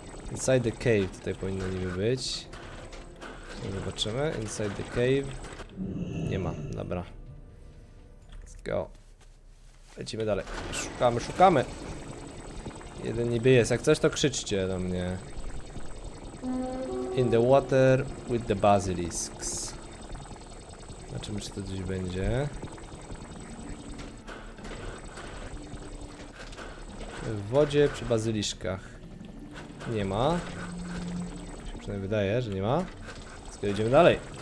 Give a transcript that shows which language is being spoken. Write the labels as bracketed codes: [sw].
[en] Inside the cave [pl] tutaj powinno niby być. Zobaczymy. [en] Inside the cave. [pl] Nie ma, dobra. [en] Let's go. [pl] Lecimy dalej. Szukamy. Jeden niby jest. Jak coś, to krzyczcie do mnie. [en] In the water with the basilisks. [pl] Zobaczymy, czy to gdzieś będzie. W wodzie przy bazyliszkach. Nie ma. Się przynajmniej wydaje, że nie ma. Więc idziemy dalej.